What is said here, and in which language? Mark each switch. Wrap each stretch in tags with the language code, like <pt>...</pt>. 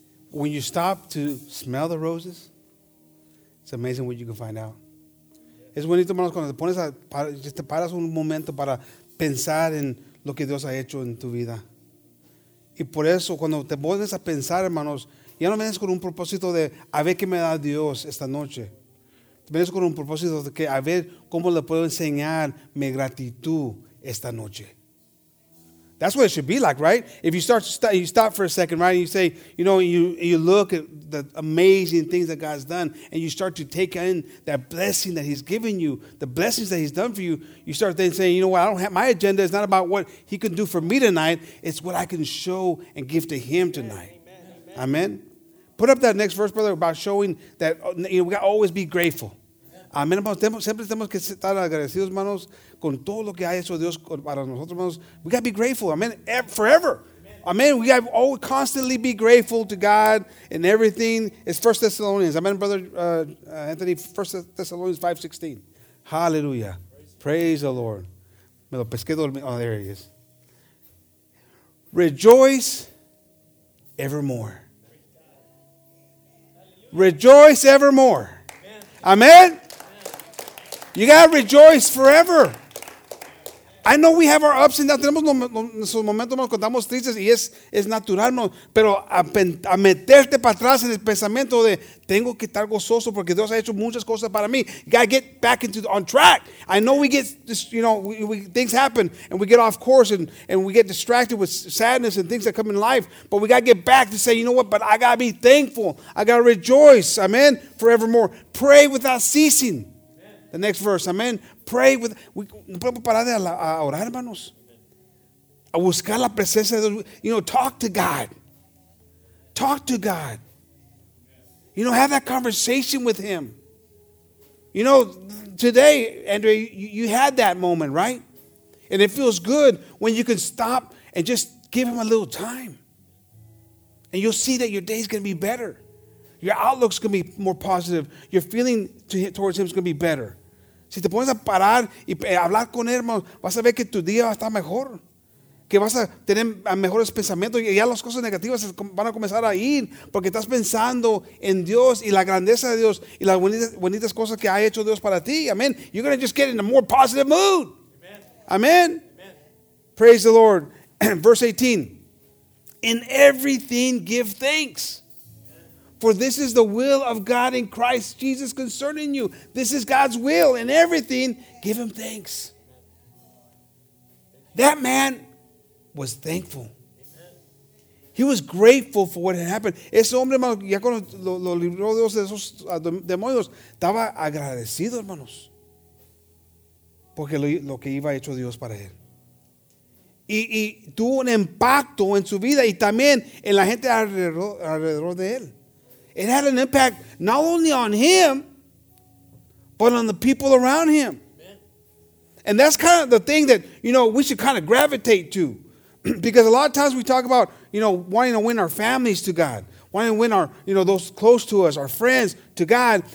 <en>When you stop to smell the roses, it's amazing what you can find out.</en> <es>Es bonito, hermanos, cuando te pones a, just te paras un momento para pensar en lo que Dios ha hecho en tu vida. Y por eso, cuando te pones a pensar, hermanos, ya no vienes con un propósito de a ver qué me da Dios esta noche. Vienes con un propósito de que a ver cómo le puedo enseñar mi gratitud esta noche.</es> <en>That's what it should be like, right? If you start, you stop for a second, right? And you say, you know, you look at the amazing things that God's done and you start to take in that blessing that he's given you, the blessings that he's done for you, you start then saying, you know what, my agenda is not about what he can do for me tonight. It's what I can show and give to him tonight. Amen. Put up that next verse, brother, about showing that, you know, we got to always be grateful.</en> <es>Amén, hermanos. Siempre tenemos que estar agradecidos, hermanos, con todo lo que ha hecho Dios para nosotros, hermanos.</es> <en>We got to be grateful. Amén. Forever. Amén. We got to always constantly be grateful to God and everything. It's 1 Thessalonians. Amén, brother Anthony. 1 Thessalonians 5:16. Hallelujah. Praise the Lord.</en> <es>Me lo pesqué dormido.</es> <en>Oh, there he is. Rejoice evermore. Rejoice evermore. Amen. Amen. You got to rejoice forever. I know we have our ups and downs.</en> <es>Tenemos nuestros momentos cuando estamos tristes y es natural. Pero a meterte para atrás en el pensamiento de tengo que estar gozoso porque Dios ha hecho muchas cosas para mí.</es> <en>You got to get back into on track. I know we get, you know, we things happen and we get off course and we get distracted with sadness and things that come in life. But we got to get back to say, you know what, but I got to be thankful. I got to rejoice. Amen. Forevermore. Pray without ceasing. The next verse, amen. Pray with.</en> <es>No podemos parar de orar, hermanos. A buscar la presencia de Dios.</es> <en>You know, talk to God. Talk to God. You know, have that conversation with Him. You know, today, Andrea, you had that moment, right? And it feels good when you can stop and just give Him a little time. And you'll see that your day's going to be better. Your outlook's going to be more positive. Your feeling towards Him is going to be better.</en> <es>Si te pones a parar y hablar con él, hermano, vas a ver que tu día va a estar mejor. que vas a tener mejores pensamientos y ya las cosas negativas van a comenzar a ir porque estás pensando en Dios y la grandeza de Dios y las bonitas cosas que ha hecho Dios para ti.</es> <en>Amen. You're going to just get in a more positive mood. Amen. Praise the Lord. Verse 18. In everything give thanks. For this is the will of God in Christ Jesus concerning you. This is God's will. In everything give him thanks. That man was thankful. He was grateful for what had happened.</en> <es>Ese hombre, hermano, ya cuando lo libró Dios de esos demonios, estaba agradecido, hermanos. Porque lo que iba hecho Dios para él. Y tuvo un impacto en su vida y también en la gente alrededor de él.</es> <en>It had an impact not only on him, but on the people around him. And that's kind of the thing that, you know, we should kind of gravitate to. Because a lot of times we talk about, you know, wanting to win our families to God. Wanting to win our, you know, those close to us, our friends to God.</en>